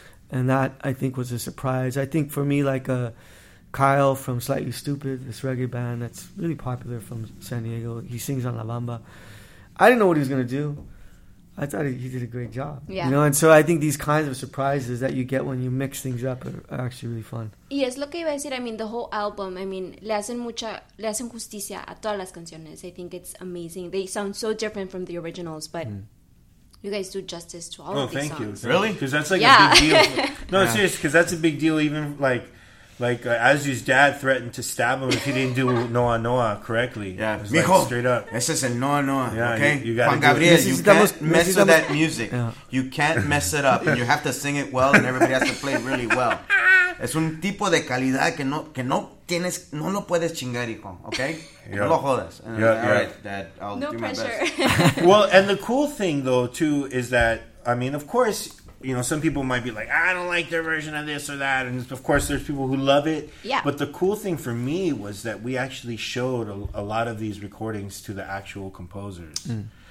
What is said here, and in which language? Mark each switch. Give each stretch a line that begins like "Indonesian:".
English: And that, I think, was a surprise. I think for me, like a Kyle from Slightly Stupid, this reggae band that's really popular from San Diego. He sings on La Bamba. I didn't know what he was going to do. I thought he did a great job. Yeah. You know, and so I think these kinds of surprises that you get when you mix things up are actually really fun.
Spanish: Y es lo que iba a decir.
English: I mean, the whole album, I mean,
Spanish: le hacen justicia a todas las canciones.
English: I think it's amazing. They sound so different from the originals, but you guys do justice to all of these songs. Oh, thank you. Really? Because that's like a big deal. No, seriously, because that's a big deal even like... like Azu's dad threatened to stab him if he didn't do Noah Noah correctly. Yeah, mijo, like straight up. This is a Noah Noah. Yeah, okay, you got Juan Gabriel. You can't mess with that music. Yeah. You can't mess it up, and you have to sing it well, and everybody has to play really well.
Spanish: Es un tipo de calidad que no tienes, no lo puedes chingar, hijo,
English: okay? Yep.
Spanish: No lo jodas.
English: Yep, all yep. right, Dad, I'll no do pressure. My best. Well, and the cool thing, though, too, is that, I mean, of course, you know, some people might be like, I don't like their version of this or that. And, of course, there's people who love it. Yeah. But the cool thing for me was that we actually showed a lot of these recordings to the actual composers. Mm.